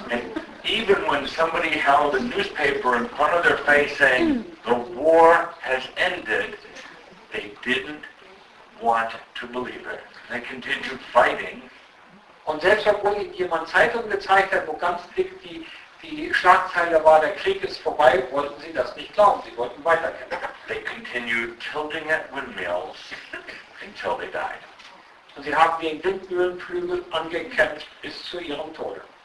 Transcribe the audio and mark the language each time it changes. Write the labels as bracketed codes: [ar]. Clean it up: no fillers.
[en] And even when somebody held a newspaper in front of their face saying, the war has ended, they didn't want to believe it. They continued fighting. [de] Und selbst obwohl ihnen jemand Zeitung gezeigt hat, wo ganz dick die Schlagzeile war, der Krieg ist vorbei, wollten sie das nicht glauben. Sie wollten weiterkämpfen. [en] They continued tilting at windmills until they died. [de] Und sie haben gegen Windmühlenflügel angekämpft bis zu ihrem Tode.